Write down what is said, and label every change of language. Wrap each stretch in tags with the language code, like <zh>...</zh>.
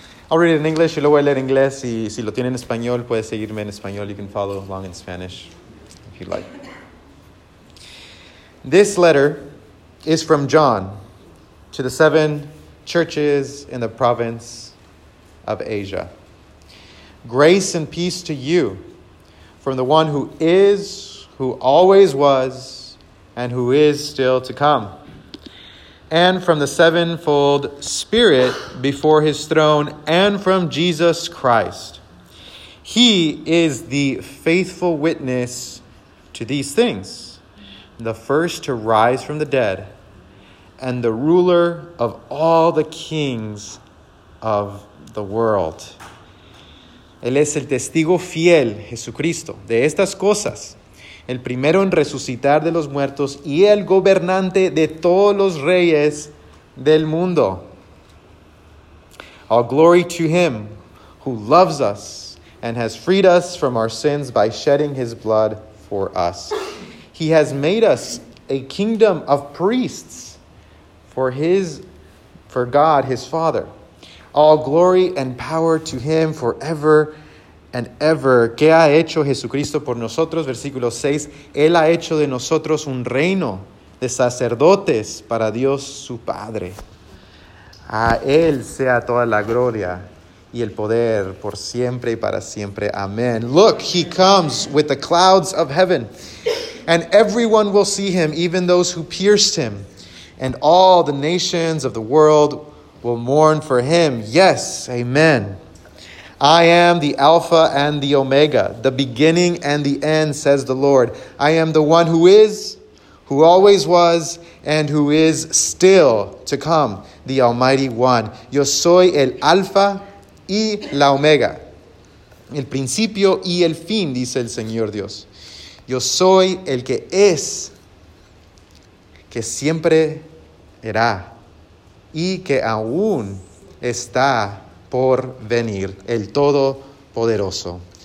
<en>I'll read it in English</en> <es>y luego voy a leer en inglés. Y si lo tienen en español, puedes seguirme en español.</es> <en>You can follow along in Spanish if you'd like. This letter is from John to the seven churches in the province of Asia. Grace and peace to you from the one who is, who always was, and who is still to come, and from the sevenfold Spirit before his throne, and from Jesus Christ. He is the faithful witness to these things, the first to rise from the dead, and the ruler of all the kings of the world.</en> <es>Él es el testigo fiel, Jesucristo, de estas cosas, el primero en resucitar de los muertos y el gobernante de todos los reyes del mundo.</es> <en>All glory to him who loves us and has freed us from our sins by shedding his blood for us. He has made us a kingdom of priests for God, his Father. All glory and power to him forever and ever.</en> <es>¿Qué ha hecho Jesucristo por nosotros? Versículo 6. Él ha hecho de nosotros un reino de sacerdotes para Dios su Padre. A él sea toda la gloria y el poder por siempre y para siempre. Amen.</es> <en>Look, he comes with the clouds of heaven, and everyone will see him, even those who pierced him, and all the nations of the world will mourn for him. Yes, amen. I am the Alpha and the Omega, the beginning and the end, says the Lord. I am the one who is, who always was, and who is still to come, the Almighty One.</en> <es>Yo soy el Alpha y la Omega, el principio y el fin, dice el Señor Dios. Yo soy el que es, que siempre era, y que aún está por venir, el Todopoderoso.</es>